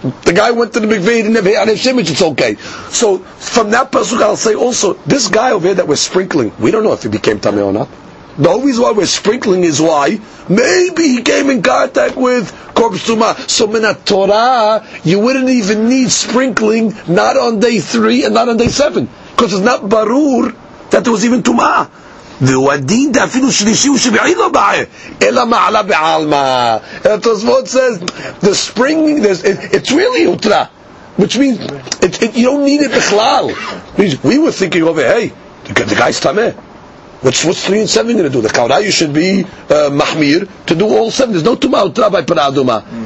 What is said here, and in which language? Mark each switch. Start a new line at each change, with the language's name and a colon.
English: The guy went to the mikveh, he didn't have erev shemesh, it's okay. So from that pasuk, I'll say also, this guy over here that we're sprinkling, we don't know if he became tameh or not. The whole reason why we're sprinkling is why maybe he came in contact with korban tuma. So min haTorah, you wouldn't even need sprinkling, not on day 3 and not on day 7. Because it's not barur that there was even tuma.
Aramaic: והדין דאפילו שלישי הוא שביעי לא בעי אלא מעלה בעלמה.
English: And the Tosfot says the spring, it's really utra, which means you don't need it בכלל. We were thinking over, hey, the guy's tame, what's 3 and 7 going to do? The kawra, you should be mahmir to do all 7. There's no tuma utra by para aduma.